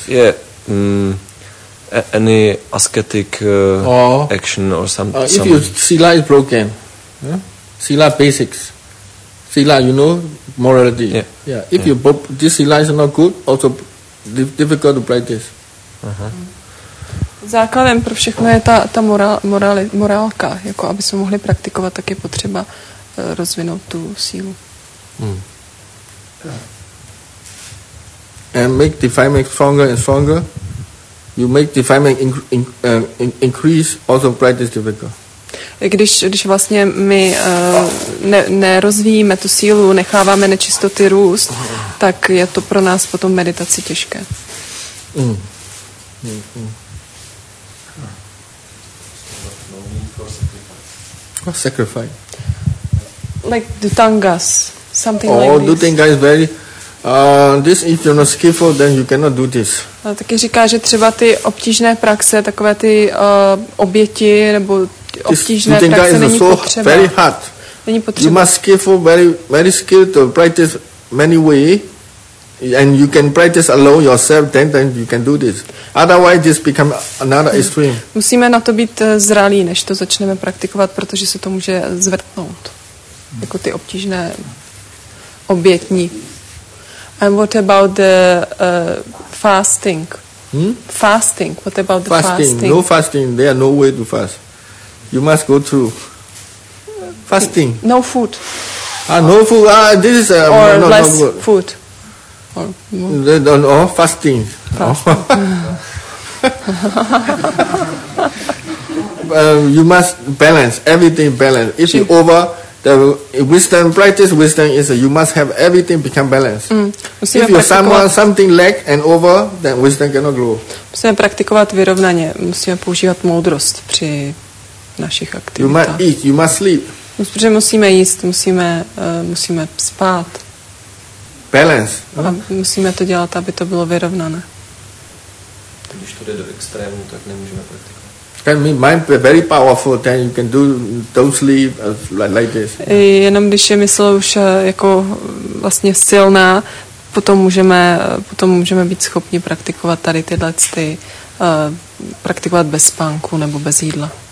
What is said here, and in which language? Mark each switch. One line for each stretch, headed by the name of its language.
English: Yeah, any ascetic or action or something. If your sila is broken, sila basics, sila, you know, morality. Yeah, yeah. If you this sila is not good, also difficult to practice. Uh-huh.
Czech: Základem pro všechno je ta morálka, jako aby jsme mohli praktikovat, tak je potřeba rozvinout tu sílu. Hmm.
English: And make the five make stronger and stronger. You make the five make increase also practice difficult.
Czech: Když vlastně my nerozvíjíme tu sílu, necháváme nečistoty růst, tak je to pro nás potom meditaci těžké. Hmm. Hmm.
English: What sacrifice? Like dutangas, something like this. Oh, dutanga is very. This if you're not skillful, then you cannot do this.
Czech: Taky říká, že třeba ty obtížné praxe, takové ty oběti nebo obtížné praxe není potřeba.
English: Dutanga is so very hard.
Czech: Není potřeba.
English: You must skillful, very very skilled to practice many way, and you can practice alone yourself. Then you can do this. Otherwise, this become another extreme.
Czech: Musíme na to být zralí, než to začneme praktikovat, protože se to může zvrtnout. Jako ty obtížné obětní.
English: And what about the fasting? Hmm? Fasting. What about the fasting? Fasting. No fasting. There are no way to fast. You must go through fasting. No food. No food. This is or no, less no food. Or they don't know, fasting. you must balance, everything balance. If you over, the wisdom, practice wisdom is you must have everything become balanced. Mm. If you someone something lack and over, then wisdom cannot grow.
Czech: Musíme praktikovat vyrovnaně, musíme používat moudrost při našich aktivitách.
English: You must eat, you must sleep.
Czech: Protože musíme jíst, musíme spát.
English: Balance.
Czech: A musíme to dělat, aby to bylo vyrovnané. Když to jde do extrému, tak nemůžeme praktikovat.
English: Can mean mind very powerful, then you can do don't sleep like this.
Czech: Jenom když je mysl už jako vlastně silná, potom můžeme být schopni praktikovat tady tyhle cty, praktikovat bez spánku nebo bez jídla.